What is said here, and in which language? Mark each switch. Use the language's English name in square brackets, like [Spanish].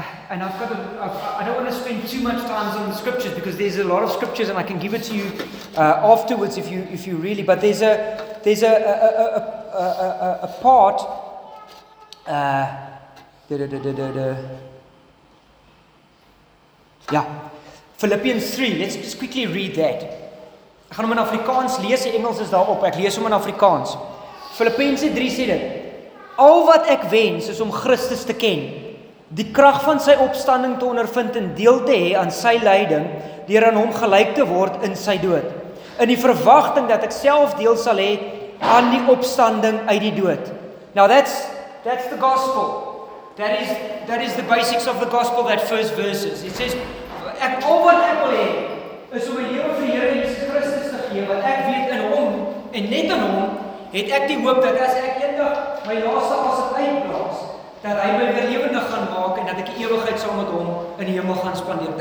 [English] and I don't want to spend too much time on the scriptures, because there's a lot of scriptures, and I can give it to you afterwards if you really, but there's a part, Philippians 3, let's just quickly read that. [Afrikaans] Ek gaan hom in Afrikaans lees, die Engels is daarop, ek lees hom in Afrikaans. Filippense 3 sê dit, al wat ek wens is om Christus te ken, die krag van sy opstanding te ondervind en deel te hê aan sy lyding, deur aan hom gelyk te word in sy dood, in die verwagting dat ek self deel sal hê aan die opstanding uit die dood. [English] Now that's the gospel. That is the basics of the gospel, that first verses. It says, [Afrikaans] ek al wat ek wil hê, is om 'n lewe vir die Here Jesus Christus te gee, want ek weet in hom, en net in hom, het ek die hoop dat as ek eendag my laaste asem uitblaas, dat hy my weer lewendig gaan maak, en dat ek ewigheid saam met hom in die hemel gaan spandeer.